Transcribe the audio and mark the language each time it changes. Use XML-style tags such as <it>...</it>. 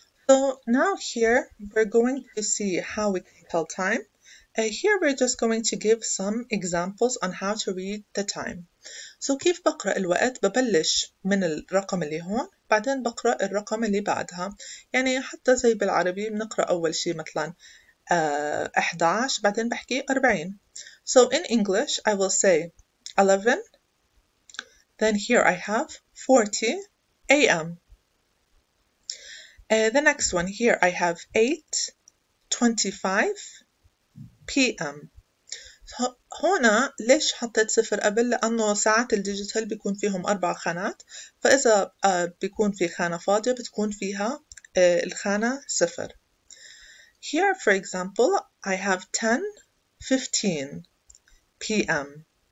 <en>So now here we're going to see how we can tell time. Here we're just going to give some examples on how to read the time.</en> <ar>So كيف بقرأ الوقت؟ ببلش من الرقم اللي هون، بعدين بقرأ الرقم اللي بعدها. يعني حتى زي بالعربي بنقرأ أول شيء مثلاً 11، بعدين بحكي 40.</ar> <en>So in English I will say 11. Then here I have 40 a.m. The next one here, I have 8:25 p.m.</en> <ar>هنا ليش حطيت صفر قبل؟ لأنه ساعات الديجيتال بيكون فيهم أربع خانات، فإذا بيكون في خانة فاضية بتكون فيها الخانة صفر.</ar> <en>Here, for example, I have 10:15 p.m.</en>